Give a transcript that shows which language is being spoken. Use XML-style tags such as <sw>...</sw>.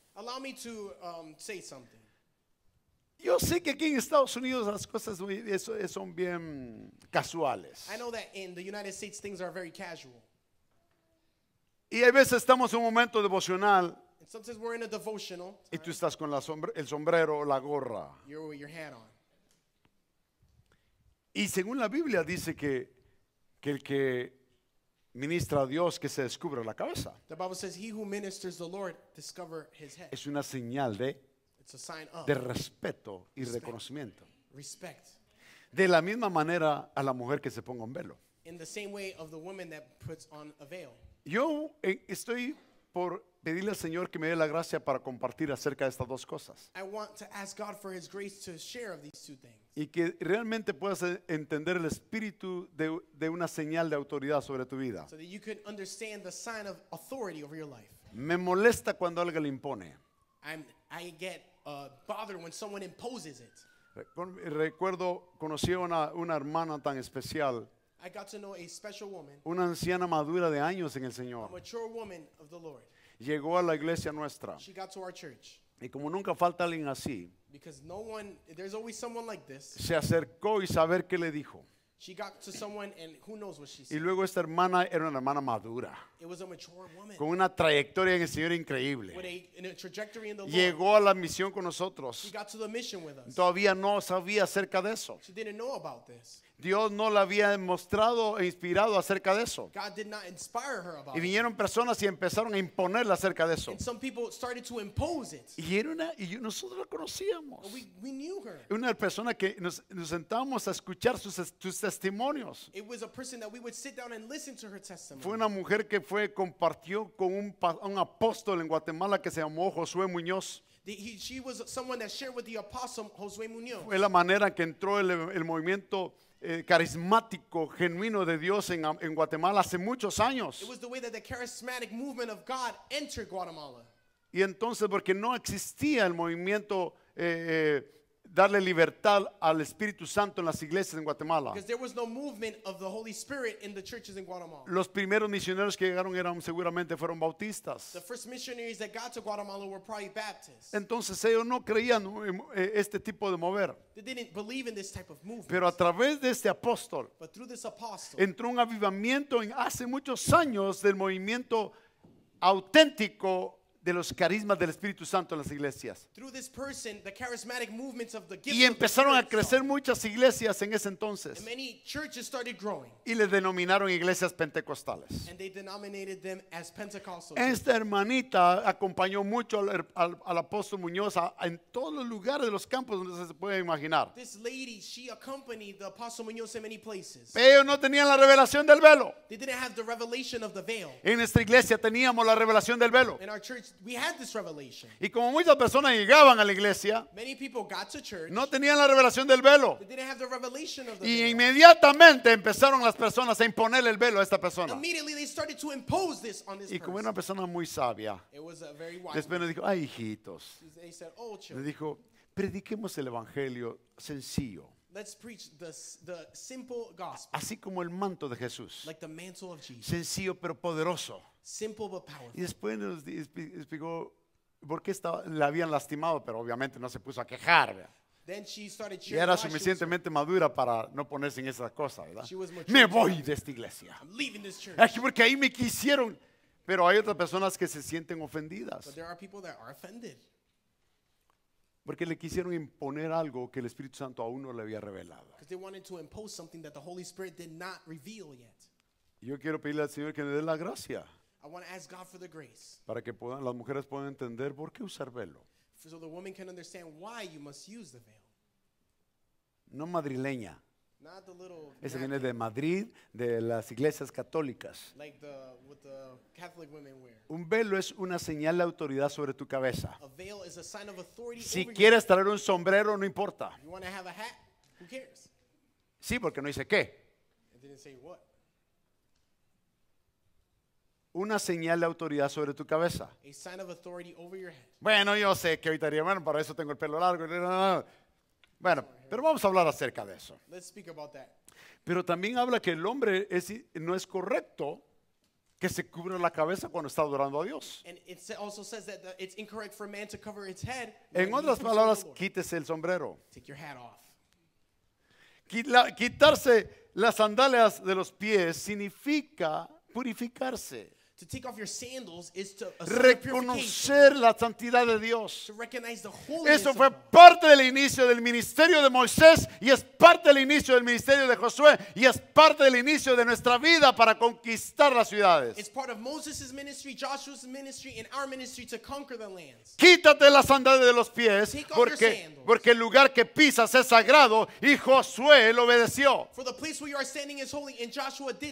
<en>Allow me to say something.</en> <es>Yo sé que aquí en Estados Unidos las cosas son bien casuales.</es> <en>I know that in the United States things are very casual.</en> <es>Y a veces estamos en un momento devocional.</es> <en>Sometimes we're in a devotional.</en> <es>Y tú estás con el sombrero o la gorra.</es> <en>You're with your hat on.</en> <es>Y según la Biblia dice que el que ministra a Dios que se descubre la cabeza.</es> <en>The Bible says he who ministers the Lord discover his head.</en> <es>Es una señal de</es> <en>It's a sign of</en> <es>de respeto y</es> <en>respect.</en> <es>Reconocimiento.</es> <en>Respect.</en> <es>De la misma manera a la mujer que se ponga un velo.</es> <en>In the same way of the woman that puts on a veil.</en> <es>Yo estoy por pedirle al Señor que me dé la gracia para compartir acerca de estas dos cosas.</es> <en>I want to ask God for his grace to share of these two things.</en> <es>Y que realmente puedas entender el espíritu de una señal de autoridad sobre tu vida.</es> <en>So that you can understand the sign of authority over your life.</en> <es>Me molesta cuando alguien le impone.</es> <en>I get bothered when someone imposes it.</en> <es>Recuerdo, conocí a una hermana tan especial.</es> <en>I got to know a special woman.</en> <es>Una anciana madura de años en el Señor.</es> <en>A mature woman of the Lord.</en> <es>Llegó a la iglesia nuestra.</es> <en>She got to our church.</en> <es>Y como nunca falta alguien así.</es> <en>Because no one, there's always someone like this.</en> <es>Se acercó y saber qué le dijo.</es> <en>She got to someone and who knows what she said.</en> <es>Y luego esta hermana era una hermana madura.</es> <en>It was a mature woman.</en> <es>Con una trayectoria en el Señor increíble.</es> <en>With a trajectory in the Lord.</en> <es>Llegó a la misión con nosotros.</es> <en>She got to the mission with us.</en> <es>Todavía no sabía acerca de eso.</es> <en>She didn't know about this.</en> <es>Dios no la había mostrado e inspirado acerca de eso.</es> <en>God did not inspire her about</en> <es>y vinieron personas y empezaron a imponerla acerca de eso.</es> <en>And some people started to impose it.</en> <es>Y era una, y nosotros la conocíamos.</es> <en>We knew her.</en> <es>Una persona que nos sentábamos a escuchar sus testimonios.</es> <en>It was a person that we would sit down and listen to her testimony.</en> <es>Fue una mujer que fue compartió con un apóstol en Guatemala que se llamó Josué Muñoz.</es> <en>She was someone that shared with the apostle Josué Muñoz.</en> <es>Fue la manera que entró el movimiento carismático, genuino de Dios en Guatemala hace muchos años.</es> <en>It was the way that the charismatic movement of God entered Guatemala.</en> <es>Y entonces, porque no existía el movimiento darle libertad al Espíritu Santo en las iglesias en Guatemala.</es> <en>Because there was no movement of the Holy Spirit in the churches in Guatemala.</en> <es>Los primeros misioneros que llegaron eran seguramente fueron bautistas.</es> <en>The first missionaries that got to Guatemala were probably Baptists.</en> <es>Entonces ellos no creían en este tipo de mover.</es> <en>They didn't believe in this type of movement.</en> <es>Pero a través de este apóstol,</es> <en>but through this apostle,</en> <es>entró un avivamiento en hace muchos años del movimiento auténtico de los carismas del Espíritu Santo en las iglesias.</es> <en>Through this person, the charismatic movements of the gifts.</en> <es>Y empezaron a crecer muchas iglesias en ese entonces.</es> <en>And many churches started growing.</en> <es>Y le denominaron iglesias pentecostales.</es> <en>And they denominated them as Pentecostal.</en> <es>Esta hermanita acompañó mucho al apóstol Muñoz en todos los lugares de los campos donde se puede imaginar.</es> <en>This lady, she accompanied the apostle Muñoz in many places.</en> <es>Pero no tenían la revelación del velo.</es> <en>They didn't have the revelation of the veil.</en> <es>En nuestra iglesia teníamos la revelación del velo.</es> <en>In our church, we had this revelation.</en> <es>Y como muchas personas llegaban a la iglesia,</es> <en>many people got to church,</en> <es>no tenían la revelación del velo.</es> <en>They didn't have the revelation of the</en> <es>y</es> <en>veil.</en> <es>Inmediatamente empezaron las personas a imponerle el velo a esta persona.</es> <en>Immediately they started to impose this on this</en> <es>y como era una persona muy sabia,</es> <en>it was a very wise</en> <es>después le dijo, ay hijitos,</es> <en>they said, oh, children,</en> <es>le dijo, prediquemos el evangelio sencillo.</es> <en>Let's preach the simple gospel.</en> <es>Así como el manto de Jesús.</es> <en>Like the mantle of Jesus.</en> <es>Sencillo pero poderoso.</es> <en>Simple but powerful.</en> <es>Y después nos explicó por qué la habían lastimado, pero obviamente no se puso a quejar.</es> <en>Then she started</en> <es>y era suficientemente madura para no ponerse en esas cosas, ¿verdad?</es> <en>She was mature.</en> <es>Me voy de esta iglesia.</es> <en>I'm leaving this church.</en> <es>Es porque ahí me quisieron. Pero hay otras personas que se sienten ofendidas.</es> <en>But there are people that are offended.</en> <es>Porque le quisieron imponer algo que el Espíritu Santo aún no le había revelado.</es> <en>Because they wanted to impose something that the Holy Spirit did not reveal yet.</en> <es>Yo quiero pedirle al Señor que me dé la gracia.</es> <en>I want to ask God for the grace.</en> <es>Para que puedan, las mujeres puedan entender por qué usar velo.</es> <en>So the woman can understand why you must use the veil.</en> <es>No madrileña.</es> <en>Not the little.</en> <es>Ese viene de Madrid, de las iglesias católicas.</es> <en>Like what the Catholic women wear.</en> <es>Un velo es una señal de autoridad sobre tu cabeza.</es> <en>A veil is a sign of authority.</en> <es>Si quieres traer un sombrero, no importa.</es> <en>You want to have a hat? Who cares?</en> <es>Sí, porque no dice qué.</es> <en>It didn't say what.</en> <es>Una señal de autoridad sobre tu cabeza.</es> <en>A sign of authority over your head.</en> <es>Bueno, yo sé que ahorita diría, bueno, para eso tengo el pelo largo. Bueno, pero vamos a hablar acerca de eso.</es> <en>Let's speak about that.</en> <es>Pero también habla que el hombre no es correcto que se cubra la cabeza cuando está adorando a Dios.</es> <en>And it also says that it's incorrect for a man to cover his head.</en> <es>En otras palabras, quítese el sombrero.</es> <en>Take your hat off.</en> <es>Quitarse las sandalias de los pies significa purificarse.</es> <en>To take off your sandals is to</en> <es>reconocer la santidad de Dios.</es> <en>To recognize the holiness.</en> <es>Eso fue parte del inicio del ministerio de Moisés y es parte del inicio del ministerio de Josué y es parte del inicio de nuestra vida para conquistar las ciudades.</es> <en>It's part of Moses' ministry, Joshua's ministry, and our ministry to conquer the lands.</en> <es>Quítate la sandalia de los pies porque el lugar que pisas es sagrado y Josué lo obedeció.</es> <en>For the place where you are standing is holy and Joshua did.</en>